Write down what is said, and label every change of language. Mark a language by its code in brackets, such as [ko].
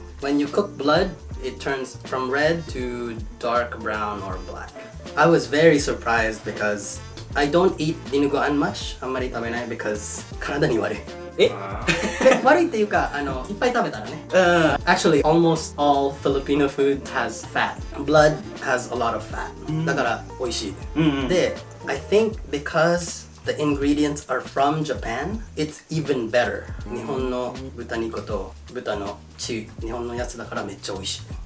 [en] When you cook blood, it turns from red to dark brown or black. I was very surprised because I don't eat dinuguan much. [ja] あんまり食べない [en] because [ja] 体に悪い。え悪いっていうか、あの、いっぱい食べたらね。うん。 [en] Actually, almost all Filipino food has fat. Blood has a lot of fat. [ja] だから、おいしい。 [en] で、I think because the ingredients are from Japan, it's even better. [ja] 日本の豚肉と豚の血、日本のやつだからめっちゃおいしい。